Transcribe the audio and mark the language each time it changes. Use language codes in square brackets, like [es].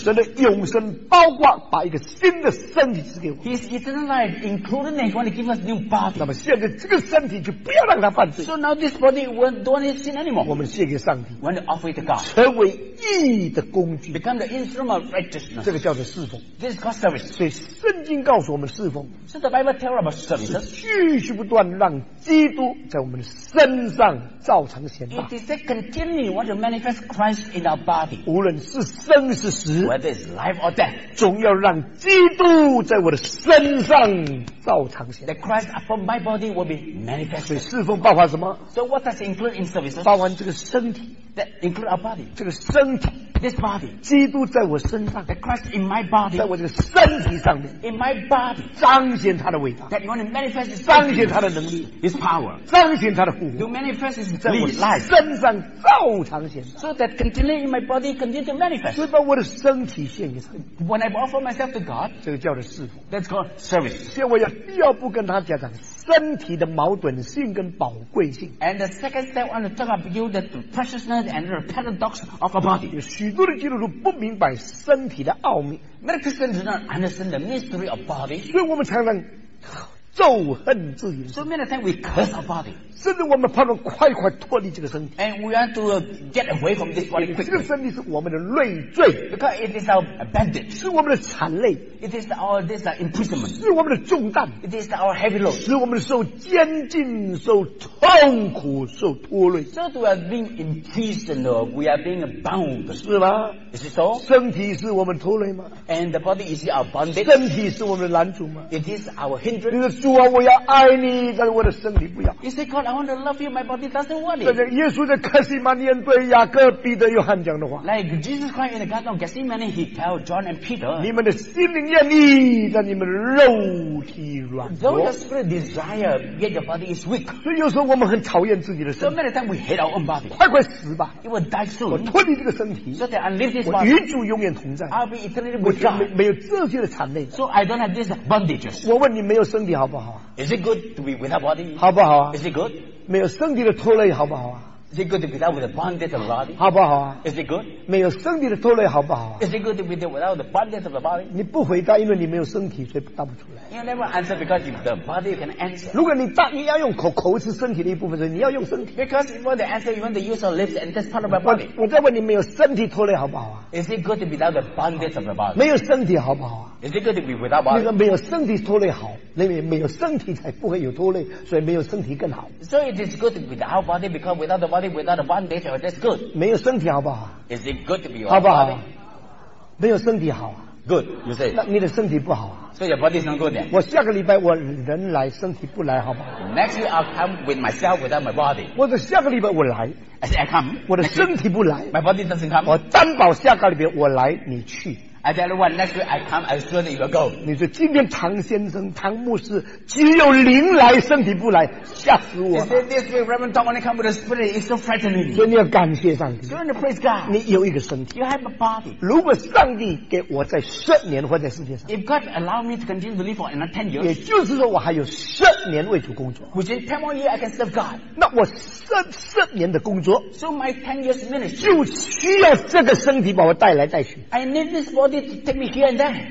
[zh] 神的永生包括把一个新的身体赐给我们。 [en] His eternal life, including that, He wants to give us new body. [zh] 这个身体就不要让它犯罪。 [en] So now this body won't do any sin anymore. [zh] 我们献给上帝。 [en] When we offer it to God. [zh] 成为义的工具。 [en] Become the instrument of righteousness. [zh] 这个叫做侍奉。 [en] This is God's service. [zh] 所以圣经告诉我们侍奉。 [en] So the Bible tells about service. [zh] 继续不断让基督在我们身上造成显大。 [en] It is a continuing want to manifest Christ in our body. [zh] 无论是生是死。 [en] Whether it's life or death. [zh] 总要让基督在我的身上造成显大。 [en] That Christ upon my body. Will be manifested. [zh] 所以侍奉包括什么？ [en] So what does it include in service? [zh] 包括这个身体。 [en] That include our body. [zh] 这个身体。 [en] This body. [zh] 基督在我身上。 [en] That Christ in my body. [zh] 在我这个身体上面。 [en] In my body. [zh] 彰显他的伟大。 [en] That you want to manifest His. [zh] 彰显他的能力。 [en] His power. [zh] 彰显他的护。 [en] To manifest His. [zh] 在我身上照常显大。 [en] So that continually in my body continue to manifest. [zh] 所以把我的身体献给上帝。 [en] When I offer myself to God. [zh] 这个叫做侍奉。 [en] That's called service. [zh] 所以我要第二步跟他家长。身体的矛盾性跟宝贵性。 [en] And the second step, I want to talk about you the preciousness and the paradox of a body. [zh] 有许多的基督徒不明白身体的奥秘。 [en] Many Christians do not understand the mystery of body. [zh] 所以我们常常咒恨自己。 [en] So many times we curse our body. [zh] 甚至我们盼望快快脱离这个身体。 [en] And we want to get away from this body quickly. [zh] 这个身体是我们的累赘。 [en] Because it is our bandage. [zh] 是我们的残累。 [en] It is our this imprisonment. [zh] 是我们的重担。 [en] It is our heavy load. [zh] 是我们的受监禁、受痛苦、受拖累。 [en] So we are being imprisoned or we are being bound. [zh] 是吗？ [en] Is it so? [zh] 身体是我们拖累吗？ [en] And the body is our bondage. [zh] 身体是我们的拦阻吗？ [en] It is our hindrance. [zh] 主啊，我要爱你，但是我的身体不要。 [en] He said, God, I want to love you, my body doesn't want it. [zh] 对，耶稣在克西马尼园对雅各、彼得、约翰讲的话。 [en] Like Jesus Christ in the Garden of Gethsemane, He told John and Peter, [zh] 你们的心灵愿意，但你们的肉体软弱。 [en] Though your spirit desire, yet your body is weak. [zh] 所以有时候我们很讨厌自己的身体。 [en] So many times we hate our own body. [zh] 快快死吧 [en] ！It will die soon. [zh] 我脱离这个身体。 [en] So that I live this body. [zh] 我与主永远同在。 [en] I'll be eternally with God. [zh] 没有这些的残累。 [en] So I don't have these bondages. [zh] 我问你，没有身体好？ [en] Is it good to be without body? [zh] 好不好啊？ [en] Is it good? [zh] 没有身体的拖累好不好啊？ [en] Is it good to be without with a bondage of the body? [zh] 好不好啊？ [en] Is it good? [zh] 没有身体的拖累好不好啊？ [en] Is it good to be without the bondage of the body? [zh] 你不回答，因为你没有身体，所以答不出来。 [en] You never answer because if the body you can answer. [zh] 如果你答，你要用口，口是身体的一部分，所以你要用身体。 [en] Because if you want to answer, you want to use your lips and that's part of my body. [zh] 我在问你，没有身体拖累好不好啊？ [en] Is it good to be without the bondage of the body? [zh] 没有身体好不好啊？ [en] Is it good to be without body? [zh] 那个没有身体拖累好，那个没有身体才不会有拖累，所以没有身体更好。 [en] So it is good to be without body because without the body, without the bondage, that's good. [zh] 没有身体好不好？ [en] Is it good to be without body? [zh] 好不好？没有身体好啊。 [en] Good, you say. [zh] 那你的身体不好啊。 [en] So your body is not good then. [zh] 我下个礼拜我人来，身体不来，好不好？ [en] Next year I'll come with myself without my body. [zh] 我的下个礼拜我来。 [en] I say I come. [zh] 我的身体不来。 [en] My body doesn't come. [zh] 我担保下个礼拜我来，你去。 [en] I tell you what, next week I come as soon as you go. [zh] 你说今天唐先生、唐牧师只有灵来，身体不来，吓死我了。 [en] He said this week, Reverend Tom, when you come with the spirit, it's so frightening. [zh] 所以你要感谢上帝。 [en] So you want to praise God. [zh] 你有一个身体。 [en] You have a body. [zh] 如果上帝给我在十年活在世界上。 [en] If God allow me to continue to live for another 10 years. [zh] 也就是说我还有十年为主工作。 [en] Within 10 more years, I can serve God. [zh] 那我十年的工作。 [en] So my 10 years ministry. [zh] 就需要这个身体把我带来带去。 [en] I need this body.To take me here and there.